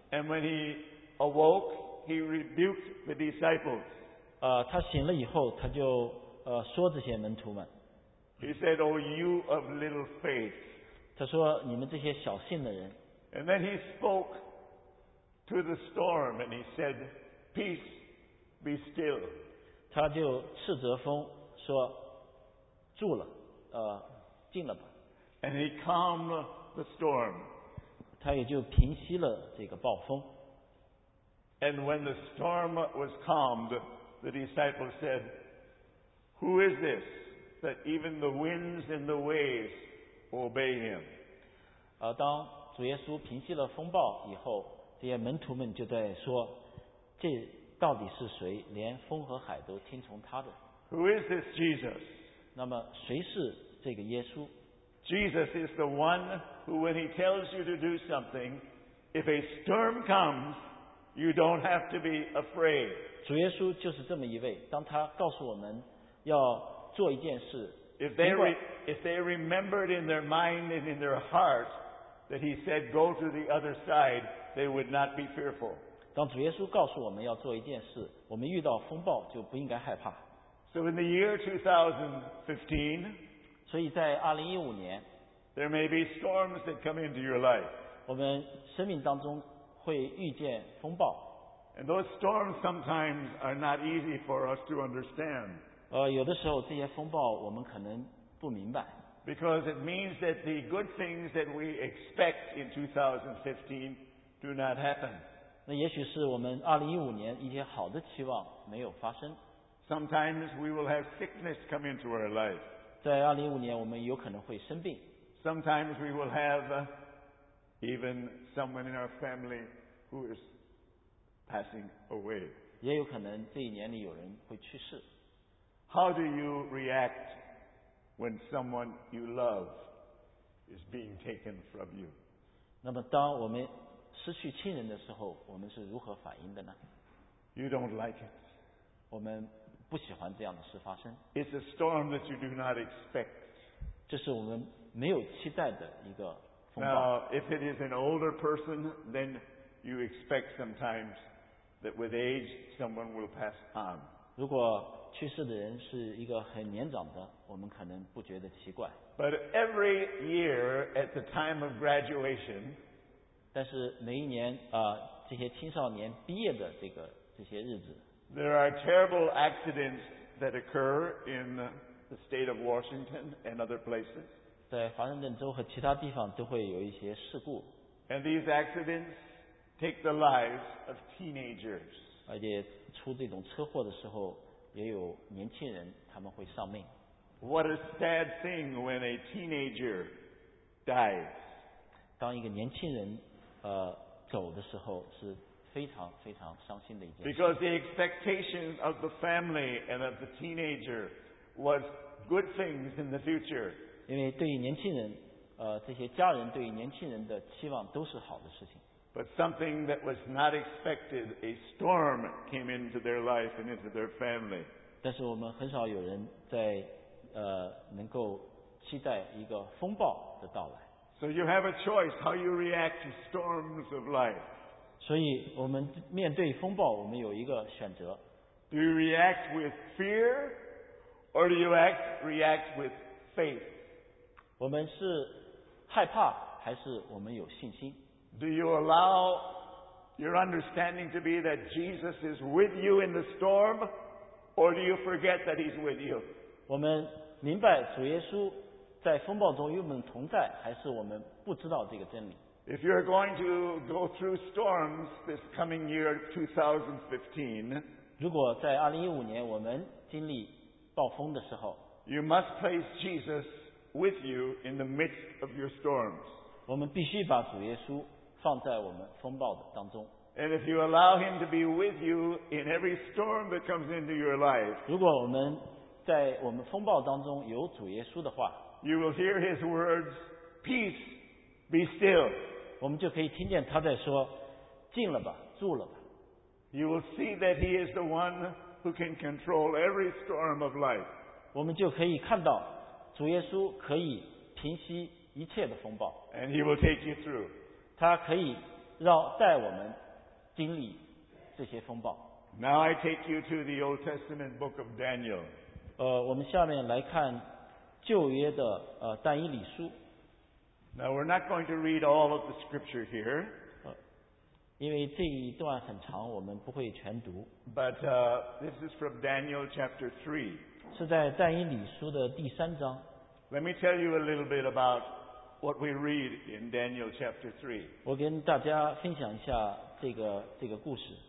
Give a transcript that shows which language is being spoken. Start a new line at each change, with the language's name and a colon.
English: And when he awoke, he rebuked the disciples.
Chinese: 他醒了以后，他就说这些门徒们。
English: He said, "Oh, you of little faith."
Chinese: 他说你们这些小信的人。
English: And then he spoke to the storm and he said. Peace, be still.
Chinese: 他就斥责风说住了静了吧。
English: And he calmed the storm.
Chinese: 他也就平息了这个暴风。
English: And when the storm was calmed, the disciples said, Who is this that even the winds and the waves obey him?
Chinese: 当主耶稣平息了风暴以后，这些门徒们就在说这到底是谁连风和海都听从他的。
English: Who is this Jesus?
Chinese: 那么谁是这个耶稣？
English: Jesus is the one who when he tells you to do something, if a storm comes, you don't have to be afraid.
Chinese: 主耶稣就是这么一位，当他告诉我们要做一件事，
English: if they remembered in their mind and in their heart that he said go to the other side, they would not be fearful.
Chinese: 当主耶稣告诉我们要做一件事，我们遇到风暴就不应该害怕。
English: So in the year 2015,
Chinese: 所以在2015年
English: there may be storms that come into your life.
Chinese: 我们生命当中会遇见风暴。
English: And those storms sometimes are not easy for us to understand.
Chinese: 有的时候这些风暴我们可能不明白。
English: Because it means that the good things that we expect in 2015 do not happen.
Chinese: 那也许是我们2015年一些好的期望没有发生。
English: Sometimes we will have sickness come into our life.
Chinese: 在2015年我们有可能会生病。
English: Sometimes we will have even someone in our family who is passing away.
Chinese: 也有可能这一年里有人会去世。
English: How do you react when someone you love is being taken from you?
Chinese: 那么当我们失去亲人的时候，我们是如何反应的呢？
English: You don't like it.
Chinese: 我们不喜欢这样的事发生。
English: It's a storm that you do not expect.
Chinese: 这是我们没有期待的一个风暴。
English: Now, if it is an older person, then you expect sometimes that with age someone will pass on.
Chinese: 如果去世的人是一个很年长的，我们可能不觉得奇怪。
English: But every year at the time of graduation,
Chinese: 但是每一年这些青少年毕业的这些日子
English: There are terrible accidents that occur in the state of Washington and other places.
Chinese: 在华盛顿州和其他地方都会有一些事故
English: And these accidents take the lives of teenagers.
Chinese: 而且出这种车祸的时候也有年轻人他们会丧命
English: What a sad thing when a teenager dies.
Chinese: 当一个年轻人走的时候是非常非常伤心的一件事。
English: Because the expectation of the family and of the teenager was good things in the future.
Chinese: 因为对于年轻人，这些家人对于年轻人的期望都是好的事情。
English: But something that was not expected, a storm came into their life and into their family.
Chinese: 但是我们很少有人在能够期待一个风暴的到来。
English: So you have a choice how you react to storms of life.
Chinese: 所以我们面对风暴，我们有一个选择。
English: Do you react with fear, or do you react with faith?
Chinese: 我们是害怕还是我们有信心？
English: Do you allow your understanding to be that Jesus is with you in the storm, or do you forget that He's with you?
Chinese: 我们明白主耶稣在风暴中与我们同在，还是我们不知道这个真理？
English: If you're going to go through storms this coming year 2015,
Chinese: 如果在2015年我们经历暴风的时候，
English: you must place Jesus with you in the midst of your storms.
Chinese: 我们必须把主耶稣放在我们风暴的当中。
English: And if you allow Him to be with you in every storm that comes into your life,
Chinese: 如果我们在我们风暴当中有主耶稣的话，
English: you will hear His words, "Peace, be still."
Chinese: 我们就可以听见他在说，静了吧，住了吧。
English: You will see that He is the one who can control every storm of life.
Chinese: 我们就可以看到主耶稣可以平息一切的风暴。
English: And He will take you through.
Chinese: 他可以让带我们经历这些风暴。
English: Now I take you to the Old Testament book of Daniel.
Chinese: 我们下面来看旧约的但以理书。
English: Now we're not going to read all of the scripture here.
Chinese: 因为这一段很长，我们不会全读。
English: But this is from Daniel chapter 3.
Chinese: 是在但以理书的第三章。
English: Let me tell you a little bit about what we read in Daniel chapter 3.
Chinese: 我跟大家分享一下这个故事。